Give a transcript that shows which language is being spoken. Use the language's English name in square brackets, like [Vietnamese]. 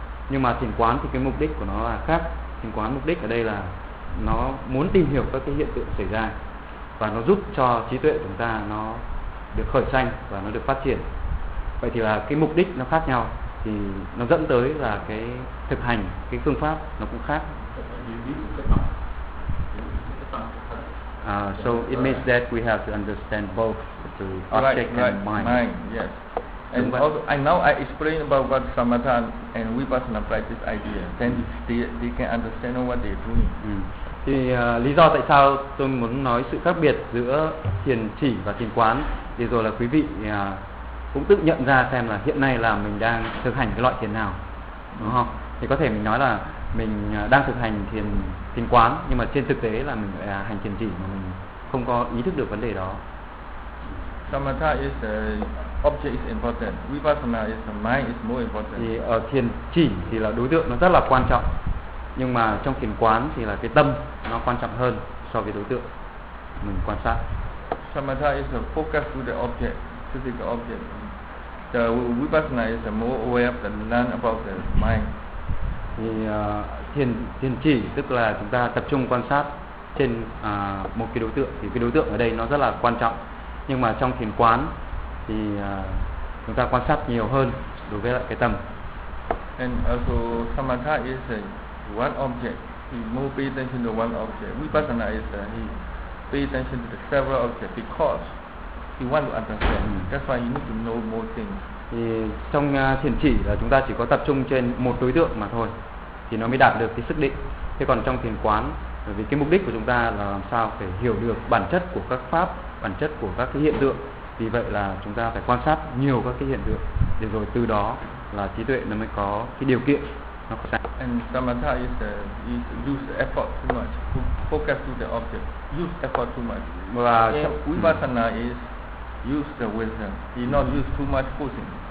[Vietnamese] Nhưng mà thiền quán thì cái mục đích của nó là khác. Thiền quán mục đích ở đây là nó muốn tìm hiểu các cái hiện tượng xảy ra và nó giúp cho trí tuệ của chúng ta nó được khởi sanh và nó được phát triển. Vậy thì là cái mục đích nó khác nhau thì nó dẫn tới là cái thực hành, cái phương pháp nó cũng khác. [English] So it means that we have to understand both the object and mind. Yes. And also, I explain about what samatha and vipassana practice idea. Then they can understand what they're doing. [Vietnamese] Thì lý do tại sao tôi muốn nói sự khác biệt giữa thiền chỉ và thiền quán thì rồi là quý vị cũng tự nhận ra xem là hiện nay là mình đang thực hành cái loại thiền nào, đúng không? Thì có thể mình nói là mình đang thực hành thiền quán nhưng mà trên thực tế là mình hành thiền chỉ mà mình không có ý thức được vấn đề đó. [English] Samatha is the object is important. Vipassana is the mind is more important. [Vietnamese] Thì ở thiền chỉ thì là đối tượng nó rất là quan trọng nhưng mà trong thiền quán thì là cái tâm nó quan trọng hơn so với đối tượng mình quan sát. [English] Samatha is the focus to the object, physical object. The vipassana is the more aware of the non about the mind. [Vietnamese] Thì thiền chỉ tức là chúng ta tập trung quan sát trên một cái đối tượng, thì cái đối tượng ở đây nó rất là quan trọng. Nhưng mà trong thiền quán thì chúng ta quan sát nhiều hơn đối với lại cái tâm. [English] And also samatha is one object. He moved pay attention to one object. Vipassana is he pay attention to the several objects because he want to understand. That's why you need to know more things. [Vietnamese] Thì trong thiền chỉ là chúng ta chỉ có tập trung trên một đối tượng mà thôi thì nó mới đạt được cái sức định. Thế còn trong thiền quán, bởi vì cái mục đích của chúng ta là làm sao phải hiểu được bản chất của các pháp, bản chất của các cái hiện tượng. Vì vậy là chúng ta phải quan sát nhiều các cái hiện tượng để rồi từ đó là trí tuệ nó mới có cái điều kiện nó có sáng. [English] And samatha is use effort too much, focus to the object, use effort too much. [Vietnamese] Và [English] vipassana is use the wisdom, he not use too much pushing.